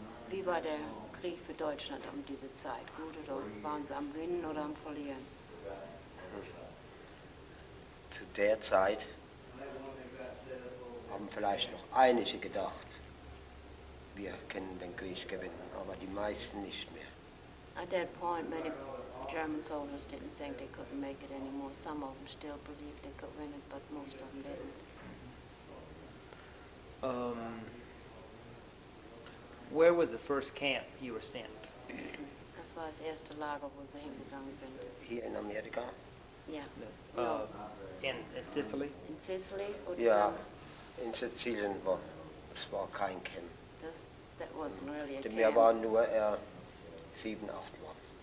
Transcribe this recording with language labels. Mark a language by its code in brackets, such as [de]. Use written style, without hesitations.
[de] Wie war der Krieg für Deutschland um diese Zeit? Gut oder waren sie am Gewinnen oder am Verlieren? Zu der Zeit haben vielleicht noch einige gedacht, wir können den Krieg gewinnen, aber die meisten nicht mehr. [en] At that point, many German soldiers didn't think they couldn't make it anymore. Some of them still believed they could win it, but most of them didn't. Where was the first camp you were sent? [de] Das war das erste Lager, wo sie hingegangen sind. Hier in Amerika? [en] Yeah. In Sicily? In Sicily? [de] Yeah, in Sicilien war es kein Camp. [en] That wasn't really a camp. [de] Wir waren nur 7, 8 Mann.